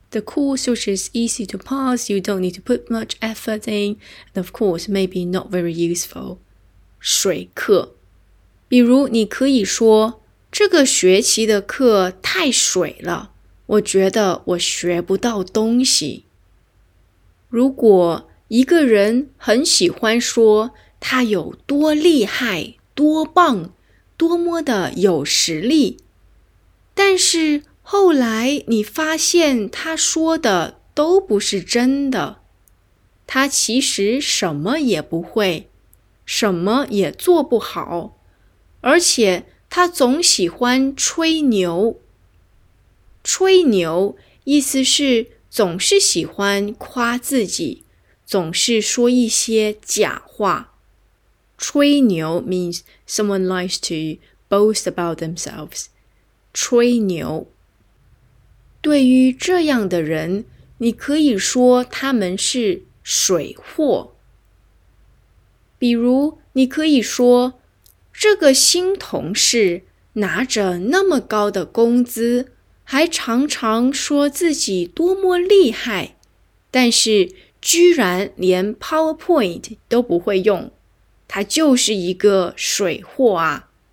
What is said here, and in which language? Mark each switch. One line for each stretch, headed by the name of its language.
English: The course which is easy to pass, you don't need to put much effort in, and of course, maybe not very useful.
Chinese: 水课。比如你可以说，这个学期的课太水了，我觉得我学不到东西。如果一个人很喜欢说他有多厉害、多棒、多么的有实力，但是后来你发现他说的都不是真的，他其实什么也不会，什么也做不好，而且他总喜欢吹牛。吹牛意思是总是喜欢夸自己，总是说一些假话。
English: 吹牛 means someone likes to boast about themselves.
Chinese: 吹牛。对于这样的人，你可以说他们是水货。比如你可以说，这个新同事拿着那么高的工资，还常常说自己多么厉害，但是居然连 PowerPoint 都不会用，他就是一个水货啊。